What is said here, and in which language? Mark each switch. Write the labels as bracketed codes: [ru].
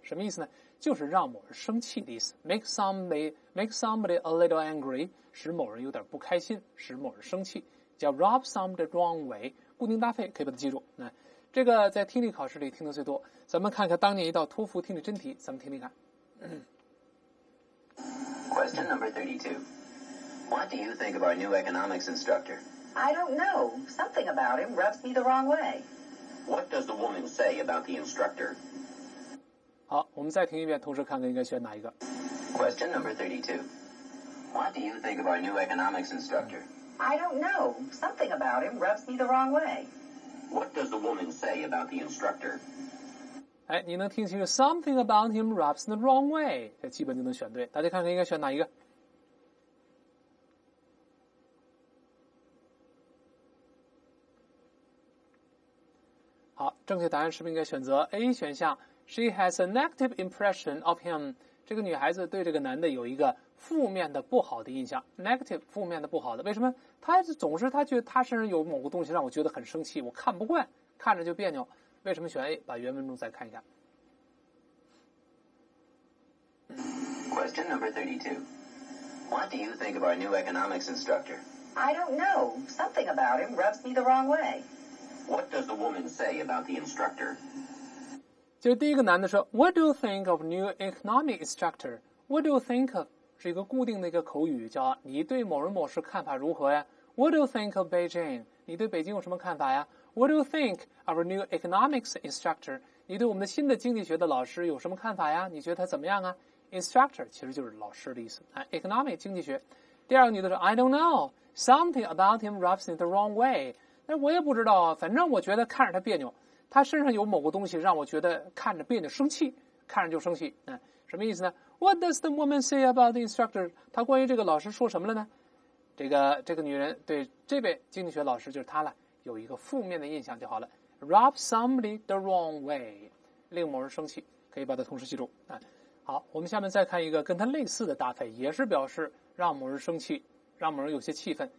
[zh] 什么意思呢？就是让某人生气的意思， [en] make somebody a little angry， [zh] 使某人有点不开心，使某人生气，叫 [en] rub somebody the wrong way， [zh] 固定搭配可以把它记住。这个在听力考试里听得最多，咱们看看当年一道托福听力真题，咱们听听看。 [en] Question number 32， What do you think of our new economics instructor? I don't know, something about him rubs me the wrong way. What does the woman say about the instructor? [zh] 好，我们再听一遍，同时看看应该选哪一个。 [en] Question number 32. What do you think of our new economics instructor? I don't know. Something about him rubs me the wrong way. What does the woman say about the instructor? [zh] 你能听清楚 [en] something about him rubs the wrong way， [zh] 这基本就能选对。大家看看应该选哪一个。好，正确答案是不是应该选择 A 选项？ [en] She has a negative impression of him. [zh] 这个女孩子对这个男的有一个负面的不好的印象。 Negative， 负面的不好的。为什么？她总是她觉得她身上有某个东西让我觉得很生气，我看不惯，看着就别扭。为什么选 A？ 把原文中再看一看。 [en] Question number 32. What do you think of our new economics instructor? I don't know. Something about him rubs me the wrong way. What does the woman say about the instructor? [zh] 就第一个男的说 [en] What do you think of new economic instructor? What do you think of? [zh] 是一个固定的一个口语，叫你对某人某事看法如何呀？ [en] What do you think of Beijing? [zh] 你对北京有什么看法呀？ [en] What do you think of our new economics instructor? [zh] 你对我们的新的经济学的老师有什么看法呀？你觉得他怎么样啊？Instructor 其实就是老师的意思，economic 经济学。第二个女的说 [en] I don't know, something about him rubs me the wrong way. [zh] 那我也不知道，反正我觉得看着他别扭，他身上有某个东西让我觉得看着别扭，生气，看着就生气。什么意思呢？ [en] What does the woman say about the instructor? [zh] 他关于这个老师说什么了呢？这个女人对这位经济学老师，就是他了，有一个负面的印象就好了。 [en] Rub somebody the wrong way， [zh] 令某人生气，可以把它同时记住。好，我们下面再看一个跟他类似的搭配，也是表示让某人生气，让某人有些气愤。